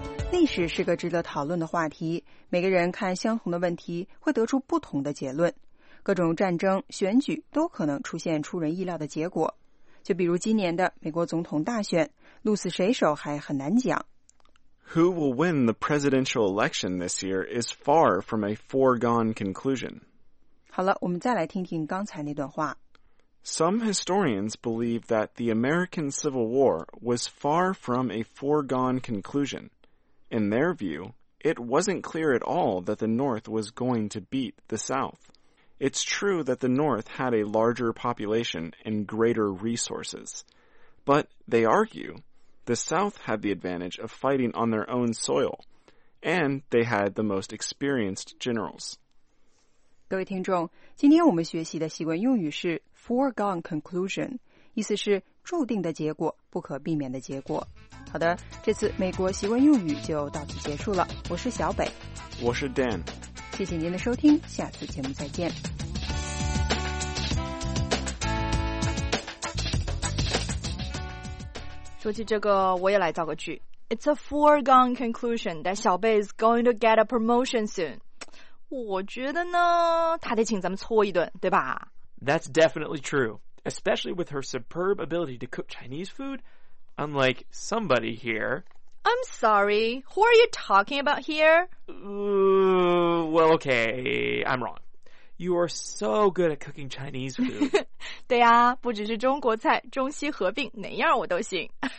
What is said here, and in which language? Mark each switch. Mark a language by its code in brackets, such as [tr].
[zh] 历史是个值得讨论的话题，每个人看相同的问题会得出不同的结论，各种战争、选举都可能出现出人意料的结果。就比如今年的美国总统大选，鹿死谁手还很难讲。 [en] Who will win the presidential election this year is far from a foregone conclusion. [zh] 好了，我们再来听听刚才那段话。 [en] Some historians believe that the American Civil War was far from a foregone conclusion. In their view, it wasn't clear at all that the North was going to beat the South. It's true that the North had a larger population and greater resources. But, they argue, the South had the advantage of fighting on their own soil, and they had the most experienced generals. [zh] 各位听众，今天我们学习的习惯用语是 [en] foregone conclusion, [zh] 意思是注定的结果，不可避免的结果。好的，这次美国习惯用语就到此结束了。我是小北。我是 Dan。谢谢您的收听，下次节目再见。说起这个，我也来造个句。 [en] It's a foregone conclusion that 小贝 is going to get a promotion soon. [zh] 我觉得呢，他得请咱们搓一顿，对吧 [en] ？That's definitely true, especially with her superb ability to cook Chinese food. Unlike somebody here. I'm sorry, who are you talking about here? Well, okay, I'm wrong. You are so good at cooking Chinese food. [zh] 对啊，不只是中国菜，中西合并，哪样我都行。